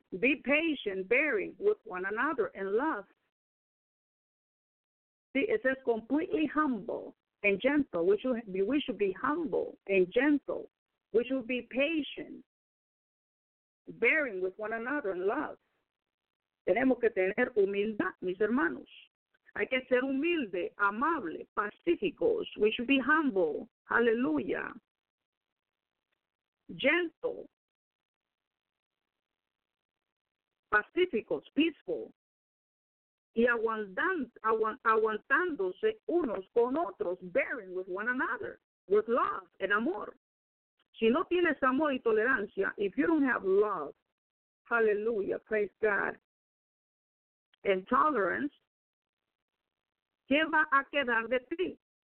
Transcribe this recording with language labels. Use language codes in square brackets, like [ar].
[en] Be patient, bearing with one another in love. See, it says completely humble and gentle. We should be humble and gentle. We should be patient, bearing with one another in love. [es] Tenemos que tener humildad, mis hermanos. Hay que ser humilde, amable, pacíficos. [en] We should be humble. [es] Hallelujah. [en] Gentle. [es] Pacíficos, peaceful. Y aguantándose unos con otros. [en] Bearing with one another. With love and amor. [es] Si no tienes amor y tolerancia, [en] if you don't have love, hallelujah, praise God, and tolerance, [es] ¿qué va a quedar de ti?